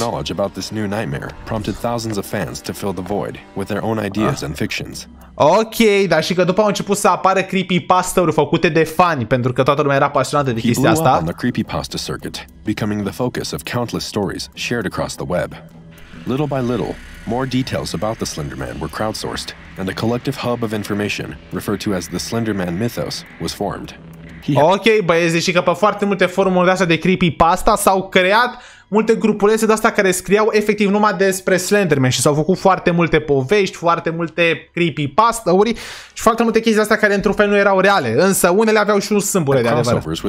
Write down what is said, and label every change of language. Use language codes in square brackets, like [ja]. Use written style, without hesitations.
[en] Our knowledge about this new nightmare prompted thousands of fans to fill the void with their own ideas and fictions. [ro] Ok, dar și că după au început să apară creepypasta-uri făcute de fani, pentru că toată lumea era pasionată de chestia asta. [en] On the creepypasta circuit, becoming the focus of countless stories shared across the web. Little by little, more details about the Slenderman were crowdsourced, and a collective hub of information, referred to as the Slenderman mythos, was formed. [ro] Ok, băieți, și că pe foarte multe forumuri de astea de creepypasta s-au creat multe grupulețe de astea care scriau efectiv numai despre Slenderman și s-au făcut foarte multe povești, foarte multe creepypasta-uri și foarte multe chestii de astea care într-un fel nu erau reale, însă unele aveau și un sâmbure de adevăr.